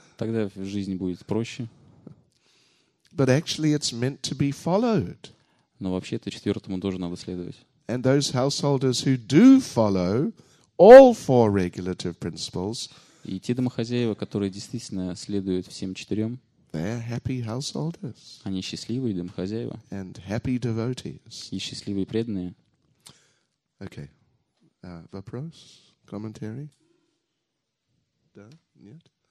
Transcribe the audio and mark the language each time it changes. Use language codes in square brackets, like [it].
[ru] Тогда жизнь будет проще. [en] But actually it's meant to be followed. [ru] Но вообще-то четвертому тоже надо следовать. [en] And those householders who do follow all four regulative principles, [ru] и те домохозяева, которые действительно следуют всем четырем, [en] they're happy householders. [ru] Они счастливые домохозяева. [en] And happy devotees. [ru] И счастливые преданные. Okay. Вопрос? [en] Commentary? [ru] Да? Нет?